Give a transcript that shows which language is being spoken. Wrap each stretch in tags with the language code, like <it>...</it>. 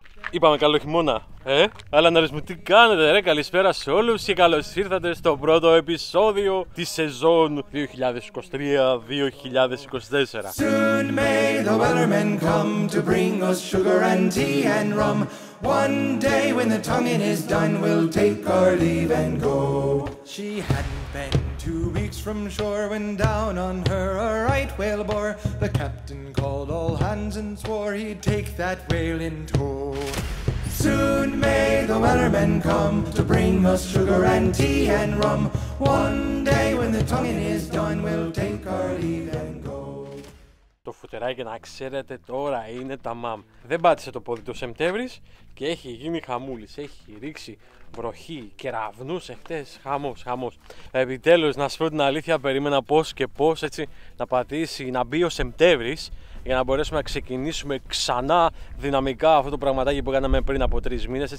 <el>Είπαμε καλό χειμώνα, ε. Αλλά να ρίσουμε τι κάνετε, ρε. Καλησπέρα σε όλους και καλώς ήρθατε στο πρώτο επεισόδιο τη σεζόν 2023-2024.</el> <en>One day when the tonguing is done, we'll take our leave and go. She hadn't been 2 weeks from shore when down on her a right whale bore. The captain called all hands and swore he'd take that whale in tow. Soon may the wellermen come to bring us sugar and tea and rum. One day when the tonguing is done, we'll take our leave and go.</en> <el>Το φουτεράκι, να ξέρετε, τώρα είναι τα μαμ. Δεν πάτησε το πόδι το Σεπτέμβρης και έχει γίνει χαμούλης. Έχει ρίξει βροχή, κεραυνούς εχθές, χαμός, χαμός. Επιτέλους, να σου πω την αλήθεια, περίμενα πώς και πώς έτσι να πατήσει, να μπει ο Σεπτέμβρης για να μπορέσουμε να ξεκινήσουμε ξανά δυναμικά αυτό το πραγματάκι που κάναμε πριν από 3 μήνες.</el>